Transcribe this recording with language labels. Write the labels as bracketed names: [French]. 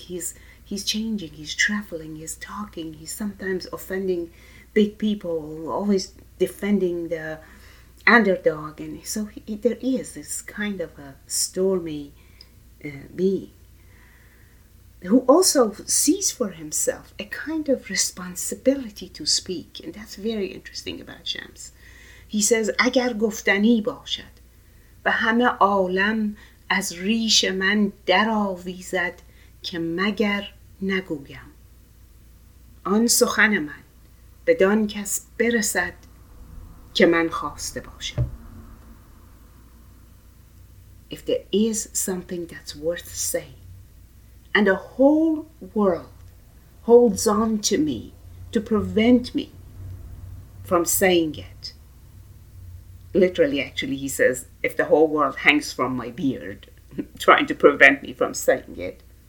[English] He's changing, he's traveling, he's talking, he's sometimes offending big people, always defending the underdog. And so there is this kind of a stormy being who also sees for himself a kind of responsibility to speak. And that's very interesting about Shams. He says, [Persian] اگر گفتنی باشد و همه عالم از ریش من در آویزد که مگر نگویم. آن سخن من بدان کس برسد که من خواسته باشم. [English] If there is something that's worth saying and the whole world holds on to me to prevent me from saying it, literally, actually, he says, if the whole world hangs from my beard, trying to prevent me from saying it.